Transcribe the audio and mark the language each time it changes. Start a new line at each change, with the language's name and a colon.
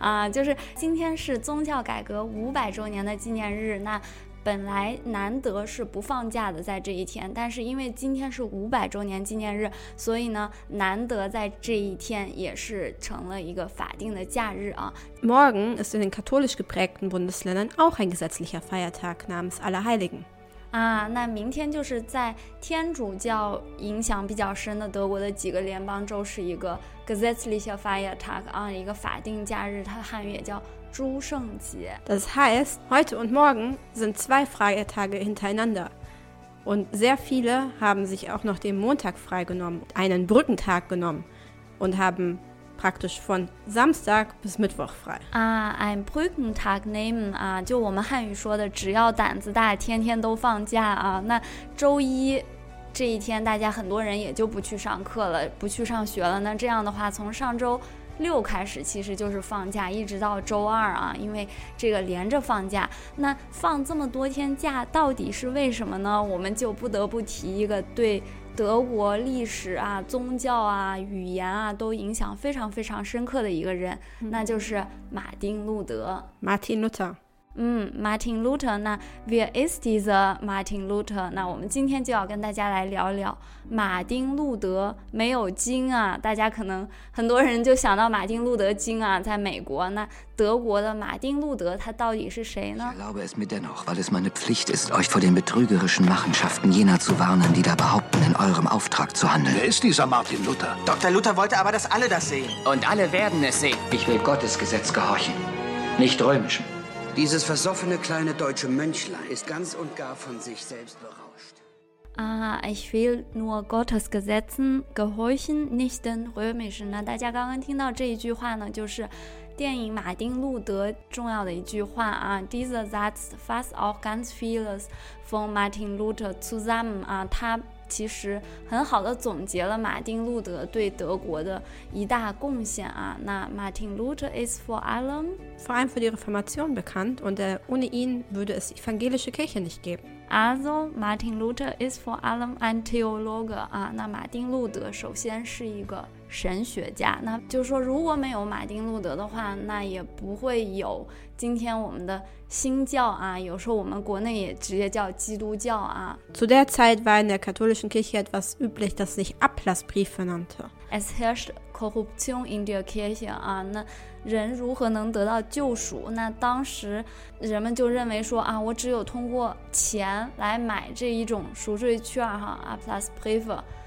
Chinese: 就是今天是宗教改革500周年的纪念日，那本来难得是不放假的在这一天，但是因为今天是500周年纪念日，所以呢，难得在这一天也是成了一个法定的假日啊。
German: Morgen ist in den katholisch geprägten Bundesländern auch ein gesetzlicher Feiertag namens Allerheiligen。
Chinese: 啊，那明天就是在天主教影响比较深的德国的几个联邦州是一个
German: gesetzlicher Feiertag
Chinese: 啊，一个法定假日，它汉语也叫诸圣节。
German: Das heißt, heute und morgen sind 2 Feiertage hintereinander. Und sehr viele haben sich auch noch den Montag freigenommen, einen Brückentag genommen und haben praktisch von Samstag bis Mittwoch frei. Ein Brückentag nehmen,
Chinese: 就我们汉语说的，只要胆子大，天天都放假啊。那周一这一天，大家很多人也就不去上课了，不去上学了。那这样的话，从上周六开始其实就是放假，一直到周二啊，因为这个连着放假。那放这么多天假到底是为什么呢？我们就不得不提一个对德国历史啊、宗教啊、语言啊都影响非常非常深刻的一个人，那就是马丁路德。
German: Martin Luther。 Martin Luther,
Chinese: 那
German: Wer ist dieser Martin Luther?
Chinese: 那我们今天就要跟大家来聊聊马丁路德没有经啊。大家可能很多人就想到马丁路德经啊，在美国，那德国的马丁路德他到底是谁呢？
German: Ich erlaube es mir dennoch, weil es meine Pflicht ist, euch vor den betrügerischen Machenschaften jener zu warnen, die da behaupten, in eurem Auftrag zu handeln. Wer ist dieser Martin Luther? Dr. Luther wollte aber, dass alle das sehen. Und alle werden es sehen. Ich will Gottes Gesetz gehorchen, nicht römischen. Dieses versoffene kleine deutsche Mönchlein ist ganz und gar von sich selbst berauscht. Ich will nur Gottes Gesetzen gehorchen, nicht den römischen.
Chinese: 那大家刚刚听到这一句话呢，就是电影《马丁路德》重要的一句话啊。
German: Dieser Satz fasst auch ganz vieles von Martin Luther zusammen.
Chinese: 他其实很好的总结了马丁路德对德国的一大贡献啊。那
German: Martin Luther ist vor allem für die Reformation bekannt und ohne ihn würde es evangelische Kirche nicht geben. Also Martin Luther ist vor allem ein Theologe 啊。
Chinese: 那马丁路德首先是一个神学家，那就是说如果没有马丁路德的话，那也不会有今天我们的新教啊，有时候我们国内也直接叫基督教啊。
German: Zu der Zeit war in der katholischen Kirche etwas üblich, das sich Ablassbriefe nannte. Es herrscht Korruption in der Kirche,
Chinese: 啊，那人如何能得到救赎？那当时人们就认为说啊，我只有通过钱来买这一种赎罪券哈 ，Ablassbriefe。